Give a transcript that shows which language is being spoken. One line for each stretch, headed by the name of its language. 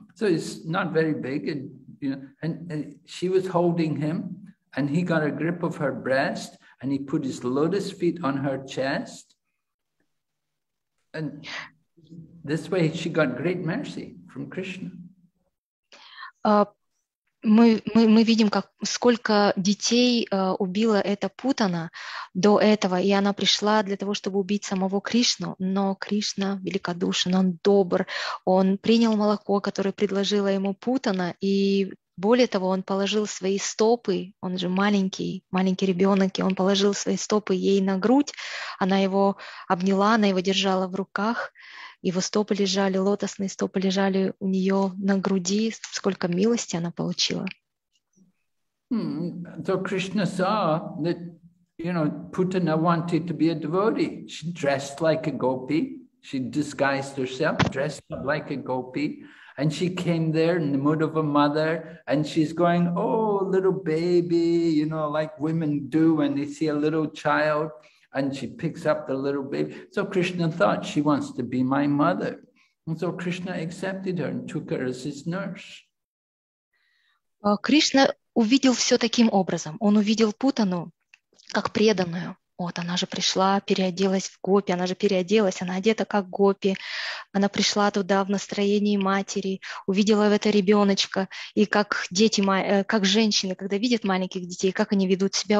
English: So he's not very big. And she was holding him and he got a grip of her breast and he put his lotus feet on her chest. And this way she got great mercy from Krishna.
Russian: Мы видим, как сколько детей убила эта путана до этого, и она пришла для того, чтобы убить самого Кришну. Но Кришна великодушен, он добр, он принял молоко, которое предложила ему путана, и более того, он положил свои стопы, он же маленький, маленький ребенок, и он положил свои стопы ей на грудь, она его обняла, она его держала в руках. Его стопы лежали, лотосные стопы лежали у нее на груди. Сколько милости она получила.
English: So Krishna saw that, you know, Putana wanted to be a devotee. She dressed like a gopi. She disguised herself, dressed up like a gopi. And she came there in the mood of a mother. And she's going, oh, little baby, you know, like women do when they see a little child. And she picks up the little baby. So Krishna thought, she wants to be my mother. And so Krishna accepted her and took her as his nurse.
Russian: Кришна увидел все таким образом. Он увидел Путану как преданную. Вот она же пришла, переоделась в гопи. Она же переоделась, она одета как гопи. Она пришла туда в настроении матери, увидела в это ребеночка. И как дети, как женщины, когда видят маленьких детей, как они ведут себя.